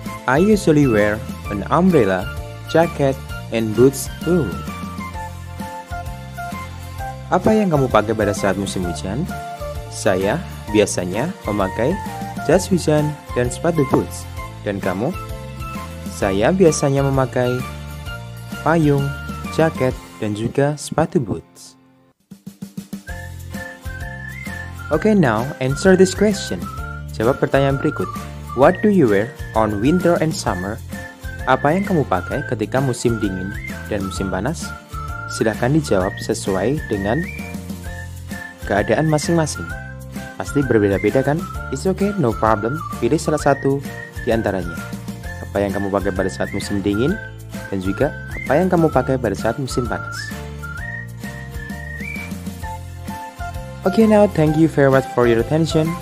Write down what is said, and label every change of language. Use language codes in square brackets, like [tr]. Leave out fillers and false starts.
[en] I usually wear an umbrella, jacket, and boots too. [id] Apa yang kamu pakai pada saat musim hujan? Saya biasanya memakai jas hujan dan sepatu boots. Dan kamu? Saya biasanya memakai payung, jaket, dan juga sepatu boots. [en] Okay, now answer this question. [id] Jawab pertanyaan berikut. [en] What do you wear on winter and summer? [id] Apa yang kamu pakai ketika musim dingin dan musim panas? Silakan dijawab sesuai dengan keadaan masing-masing. Pasti berbeda-beda kan? [en] It's okay, no problem. [id] Pilih salah satu di antaranya. Apa yang kamu pakai pada saat musim dingin? Dan juga, apa yang kamu pakai pada saat musim panas? [en] Okay, now thank you very much for your attention.